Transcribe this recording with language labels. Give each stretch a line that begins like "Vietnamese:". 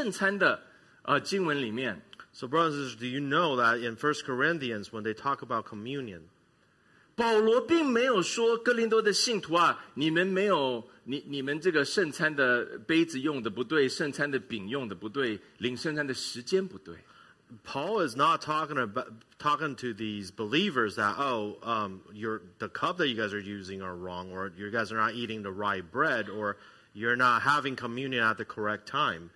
Chinese: 在哥林多前书11章这一段讲到圣餐的经文里面,
English: So brothers, do you know that in 1 Corinthians, when they talk about communion,
Chinese: 保罗并没有说哥林多的信徒啊, 你们这个圣餐的杯子用的不对, 圣餐的饼用的不对, 领圣餐的时间不对。
English: Paul is not talking to these believers that, the cup that you guys are using are wrong, or you guys are not eating the right bread, or you're not having communion at the correct time.